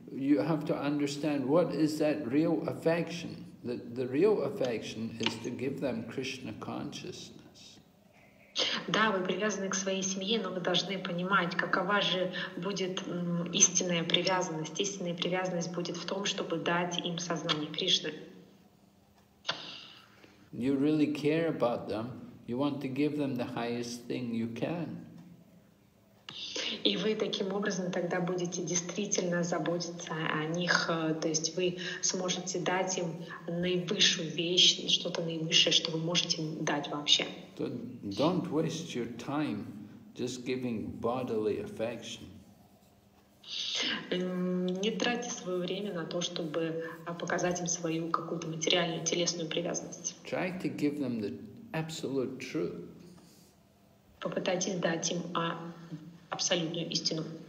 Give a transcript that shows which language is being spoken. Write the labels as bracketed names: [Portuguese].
[English] You have to understand what is that real affection. The real affection is to give them Krishna consciousness. [Russian] Да, вы привязаны к своей семье, но вы должны понимать, какова же будет истинная привязанность. Истинная привязанность будет в том, чтобы дать им сознание Кришны. [English] You really care about them. You want to give them the highest thing you can. [Russian] И вы таким образом тогда будете действительно заботиться о них, то есть вы сможете дать им наивысшую вещь, что-то наивысшее, что вы можете дать вообще. [English] So don't waste your time just giving bodily affection. [Russian] Не тратьте свое время на то, чтобы показать им свою какую-то материальную, телесную привязанность. [English] Try to give them the absolute truth. [Russian] Попытайтесь дать им абсолютную истину.